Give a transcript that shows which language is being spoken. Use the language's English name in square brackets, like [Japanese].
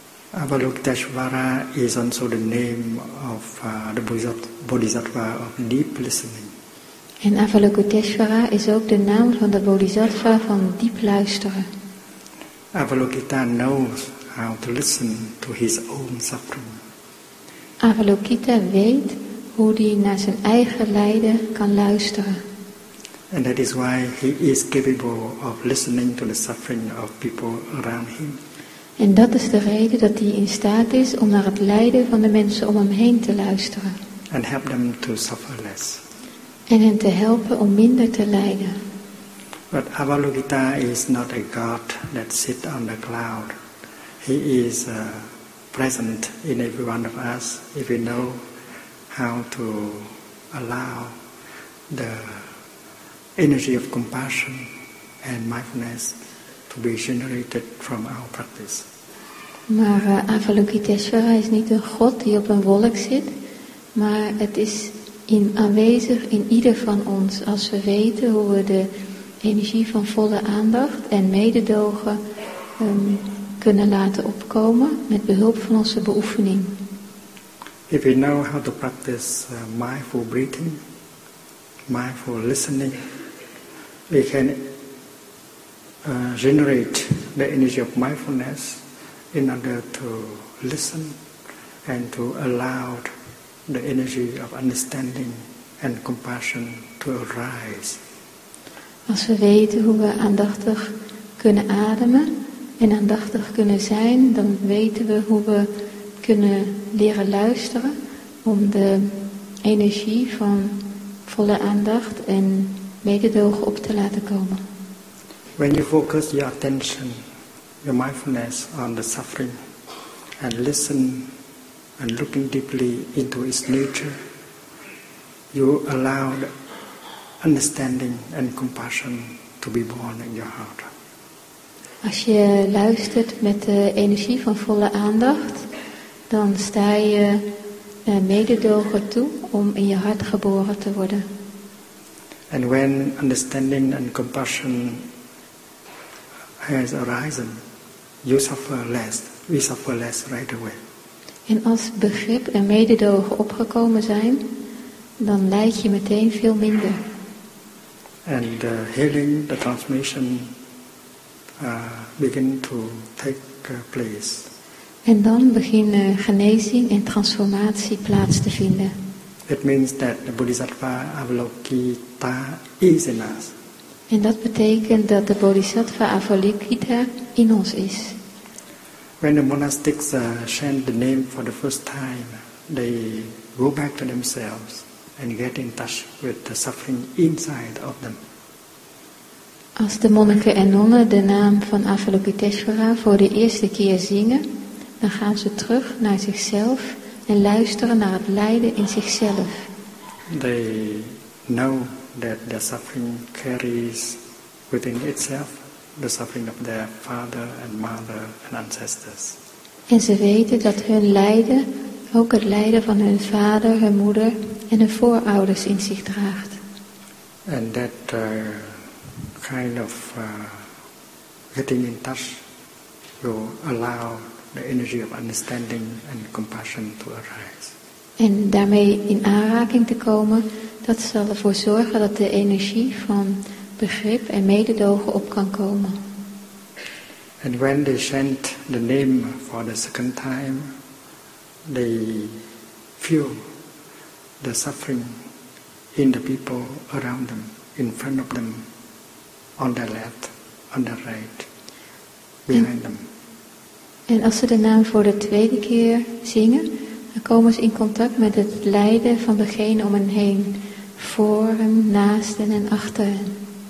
[English] Avalokiteshvara is also the name of the Bodhisattva of deep listening. [Dutch] En Avalokiteshvara is ook de naam van de Bodhisattva van diep luisteren. [English] Avalokita knows how to listen to his own suffering. [Dutch] Avalokita weet hoe hij naar zijn eigen lijden kan luisteren. [English] And that is why he is capable of listening to the suffering of people around him. [Dutch] En dat is de reden dat hij in staat is om naar het lijden van de mensen om hem heen te luisteren. [English] And help them to suffer less. [Dutch] En hen te helpen om minder te lijden. [English] But Avalokita is not a god that sits on the cloud. He is present in every one of us if we know how to allow the energy of compassion and mindfulness to be generated from our practice. [Dutch] Maar Avalokiteshvara is niet een god die op een wolk zit, maar het is aanwezig in ieder van ons als we weten hoe we de energie van volle aandacht en mededogen kunnen laten opkomen met behulp van onze beoefening. [English] If you know how to practice mindful breathing, mindful listening, we can generate the energy of mindfulness in order to listen and to allow the energy of understanding and compassion to arise. [Dutch] Als we weten hoe we aandachtig kunnen ademen en aandachtig kunnen zijn, dan weten we hoe we kunnen leren luisteren om de energie van volle aandacht en mededogen op te laten komen. [English] When you focus your attention, your mindfulness on the suffering and listen and looking deeply into its nature, you allow understanding and compassion to be born in your heart. [Dutch] Als je luistert met de energie van volle aandacht, dan sta je mededogen toe om in je hart geboren te worden. [English] And when understanding and compassion has arisen, you suffer less, we suffer less right away. [Dutch] En als begrip en mededogen opgekomen zijn, dan lijd je meteen veel minder. [English] And the healing, the transformation begin to take place. [Dutch] En dan beginnen genezing en transformatie plaats te vinden. [English] It means that the Bodhisattva Avalokita is in us. [Dutch] En dat betekent dat de Bodhisattva Avalokita in ons is. [English] When the monastics chant the name for the first time, they go back to themselves and get in touch with the suffering inside of them. [Dutch] Als de monniken en nonnen de naam van Avalokiteshvara voor de eerste keer zingen, dan gaan ze terug naar zichzelf en luisteren naar het lijden in zichzelf. [English] They know that the suffering carries within itself the suffering of their father and mother and ancestors. [Dutch] En ze weten dat hun lijden ook het lijden van hun vader, hun moeder en hun voorouders in zich draagt. [English] And that kind of getting in touch will allow the energy of understanding and compassion to arise. [Dutch] En daarmee in aanraking te komen, dat zal ervoor zorgen dat de energie van begrip en mededogen op kan komen. [English] And when they chant the name for the second time, they feel the suffering in the people around them, in front of them, on their left, on their right, behind them. [Dutch] En als ze de naam voor de tweede keer zingen, dan komen ze in contact met het lijden van degene om hen heen, voor hen, naast hen en achter hen.